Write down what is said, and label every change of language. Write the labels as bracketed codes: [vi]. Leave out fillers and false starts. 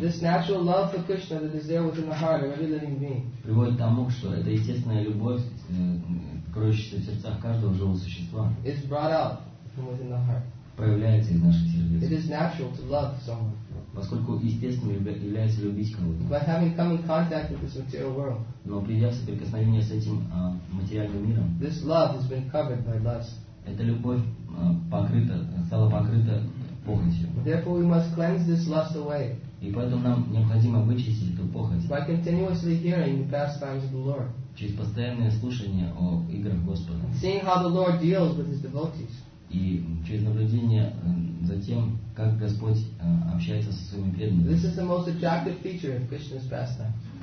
[en] this natural love for Krishna that is there within the heart of every living being, [ru] приводит к тому, что эта естественная любовь, кроющаяся в сердцах каждого живого существа, [en] is brought out from within the heart. [ru] Появляется из наших сердец. [en] It is natural to love someone. [ru] Поскольку естественным является любить кого-то. [en] By having come in contact with this material world, [ru] но придя в соприкосновение с этим материальным миром, [en] this love has been covered by lust. [ru] Эта любовь стала покрыта похотью. [en] Therefore, we must cleanse this lust away. [ru] И поэтому нам необходимо вычистить эту похоть. [en] By continuously hearing the pastimes of the Lord. [ru] Через постоянное слушание о играх Господа. [en] Seeing how the Lord deals with his devotees. [ru] И через наблюдение за тем, как Господь общается со своими преданными. [en] This is the most attractive feature of Krishna's pastime.